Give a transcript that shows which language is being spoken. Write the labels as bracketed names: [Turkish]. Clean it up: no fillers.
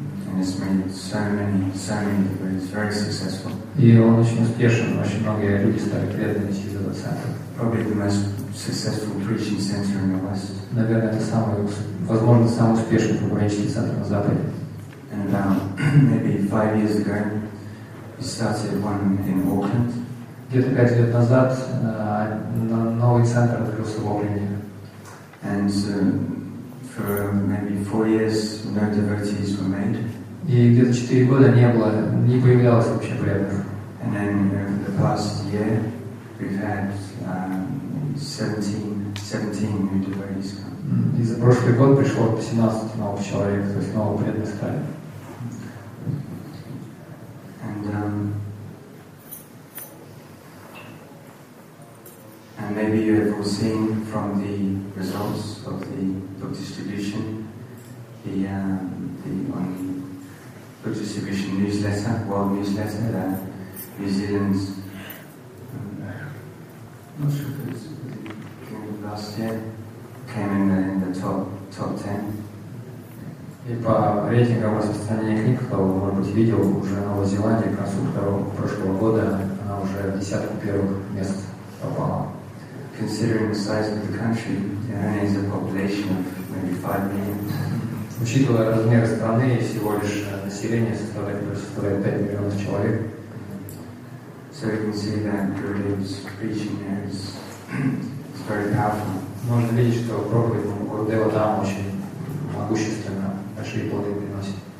[English] And it's made so many degrees, very successful. [Russian] И он очень успешен, очень многие люди стали преданными через этот центр. [English] Probably the most successful preaching center in the West. [Russian] Наверное, это самый, возможно, самый успешный проповедческий центр на Западе. [English] And about maybe 5 years ago, we started one in Auckland. [Russian] Где-то 5 лет назад новый центр открылся в Окленде. [English] And for maybe 4 years, no devotees were made. [Russian] И где-то 4 года не было, не появлялось вообще преданных. [English] And then the past year, we've had 17 new devotees come. [Russian] И за прошлый год пришло 17 новых человек, то есть новые преданные стали. [English] And maybe you have all seen from the results of the book distribution, book distribution newsletter, world newsletter, that New Zealand's, not sure if it's the end of last year, came in the top 10. [Russian] И по рейтингам распространения книг, кто, может быть, видел, уже Новая Зеландия, к концу прошлого года, она уже в десятку первых мест попала. [English] Considering the size of the country, there only is a population of maybe 5 million. [Russian] Учитывая размер страны, всего лишь население составляет 5 миллионов человек. [English] So you can see that Gurudev's preaching there is very powerful. [Russian] Можно видеть, что проповедь Гурудева там очень могущественна, большие плоды приносит.